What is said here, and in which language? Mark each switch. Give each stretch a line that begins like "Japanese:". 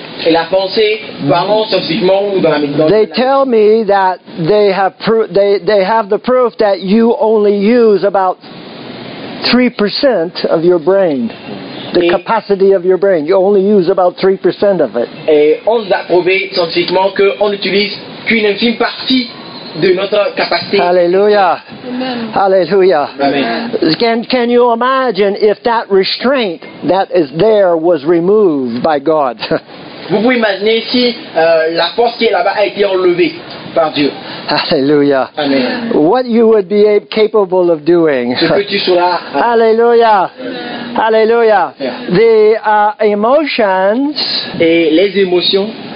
French: et la pensée, vraiment, scientifiquement, ou dans la médecine.
English: They tell me that they have the proof that you only use about 3% of your brain. The capacity of your brain. You only use about 3% of it.
French: Et on a prouvé scientifiquement qu'on n'utilise qu'une infime partie de notre capacité.
English: Hallelujah. Amen. Hallelujah. Amen. Can you imagine if that restraint that is there was removed by God?
French: Vous pouvez imaginer si la force qui est là-bas a été enlevée par Dieu.
English: Alléluia. What you would be capable of doing.
French: Alléluia. Alléluia.
English: Yeah. The emotions.
French: Et les émotions.